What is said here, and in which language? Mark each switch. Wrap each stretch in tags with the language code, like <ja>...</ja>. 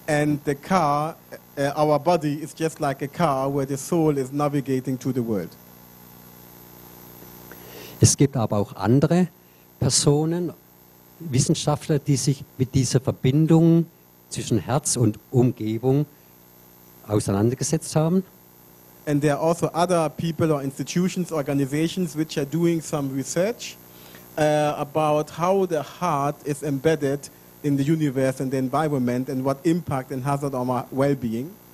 <en>And the car, our body is just like a car where the soul is navigating to the world.</en> <de>Es gibt aber auch andere Personen, Wissenschaftler, die sich mit dieser Verbindung zwischen Herz und Umgebung auseinandergesetzt haben.</de> <en>And there are also other people or institutions, organizations, which are doing some research about how the heart is embedded in the universe and the environment and what impact it has on our well-being.</en>